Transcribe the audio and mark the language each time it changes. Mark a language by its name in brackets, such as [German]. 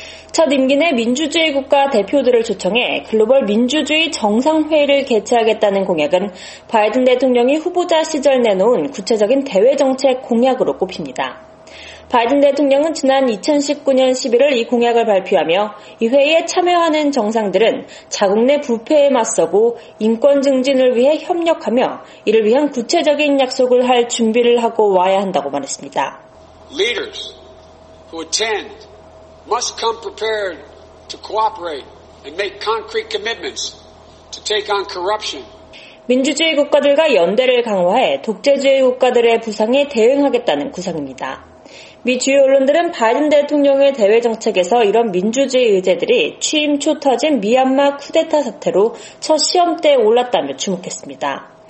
[Korean] 첫 임기 내 민주주의 국가 대표들을 초청해 글로벌 민주주의 정상회의를 개최하겠다는 공약은 바이든 대통령이 후보자 시절 내놓은 구체적인 대외정책 공약으로 꼽힙니다. 바이든 대통령은 지난 2019년 11월 이 공약을 발표하며 이 회의에 참여하는 정상들은 자국 내 부패에 맞서고 인권 증진을 위해 협력하며 이를 위한 구체적인 약속을 할 준비를 하고 와야 한다고 말했습니다. [English] Leaders who attend must come prepared to cooperate and make concrete commitments to take on corruption. [Korean] 민주주의 국가들과 연대를 강화해 독재주의 국가들의 부상에 대응하겠다는 구상입니다. 미 주요 언론들은 바이든 대통령의 대외 정책에서 이런 민주주의 의제들이 취임 초 터진 미얀마 쿠데타 사태로 첫 시험대에 올랐다며 주목했습니다.